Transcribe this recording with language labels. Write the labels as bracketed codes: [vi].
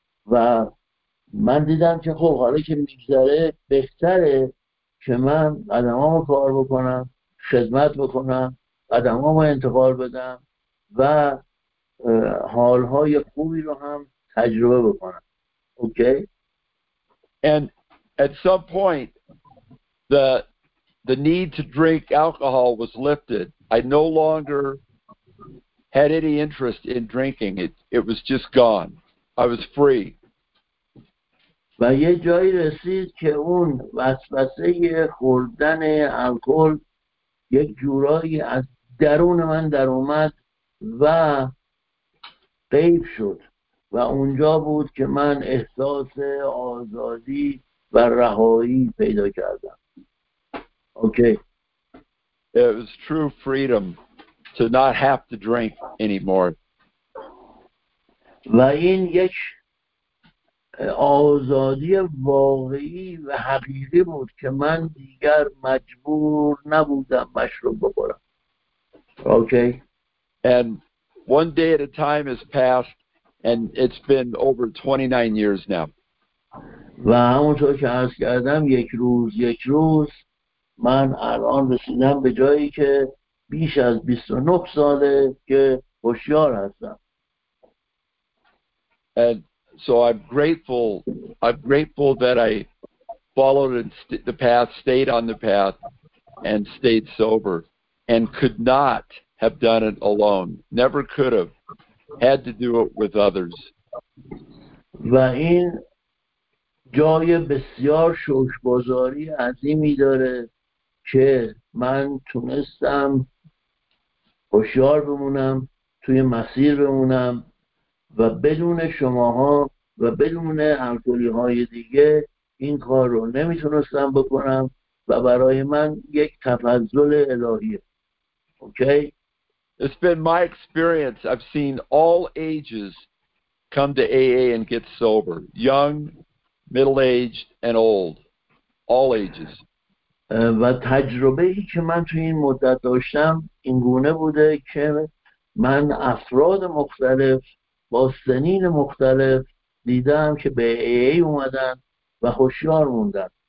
[fa] و من دیدم که خب حالا که می گذره بهتره که من قدمامو کار بکنم، خدمت بکنم، قدمامو انتقال بدم و حالهای خوبی رو هم تجربه بکنم. [en] Okay? And at some point the need to drink alcohol was lifted. I no longer had any interest in drinking. It was just gone. I was free. [fa] و یه جایی رسید که اون وسوسه خوردن الکل یک جورایی از درون من در اومد و غیب شد و اونجا بود که من احساس آزادی و رهایی پیدا کردم. [en] Okay. It was true freedom to not have to drink anymore. [fa] و این یک آزادی واقعی و حقیقی بود که من دیگر مجبور نبودم مشروب بخورم. [en] Okay. And one day at a time has passed, and it's been over 29 years now. [fa] و همونطور که عرض کردم یک روز یک روز من الان رسیدم به جایی که بیش از 29 ساله که هوشیار هستم. [en] And so I'm grateful that I followed the path, stayed on the path, and stayed sober, and could not have done it alone. Never could have. Had to do it with others. [fa] و این جای بسیار شکرگزاری عظیمی داره که من تونستم هوشیار بمونم، توی مسیر بمونم و بدون شماها و بدون الکلی‌های دیگه این کار رو نمیتونستم بکنم و برای من یک تفضل الهیه. [en] Okay? It's been my experience. I've seen all ages come to AA and get sober. Young, middle-aged, and old. All ages. [fa] و تجربه‌ای که من توی این مدت داشتم این گونه بوده که من افراد مختلف با سنین مختلف دیدم که به AA اومدن و هوشیار موندن.